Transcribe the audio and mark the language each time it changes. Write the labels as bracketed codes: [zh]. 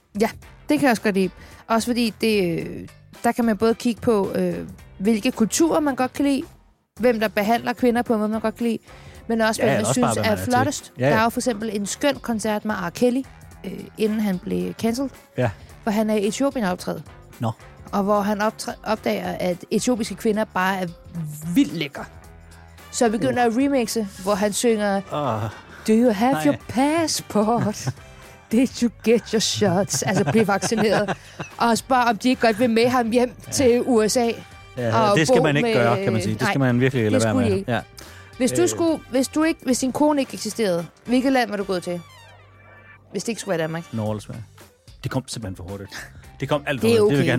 [da] Ja, det kan jeg også godt lide. Også fordi, det, der kan man både kigge på, hvilke kulturer man godt kan lide, hvem der behandler kvinder på, hvad man godt kan lide, men også, hvem man synes er flottest. Ja, der er jo for eksempel en skøn koncert med R. Kelly, inden han blev cancelled, hvor han er i Etiopien optræde. Nå. Og hvor han opdager, at etiopiske kvinder bare er vildt lækre. Så jeg begynder at remixe, hvor han synger... [en] Do you have your passport? Did you get your shots? [da] Altså, blive vaccineret. Og spørger, om de ikke godt vil med ham hjem til USA. Ja, det skal man ikke gøre, kan man sige. Det skal man virkelig lade være med. Ikke. Ja. Hvis du skulle, hvis din kone ikke eksisterede, hvilket land var du gået til? Hvis det ikke skulle være Danmark? Norge eller Sverige. Det kom simpelthen for hurtigt. Det kom alt for hurtigt. Det er okay.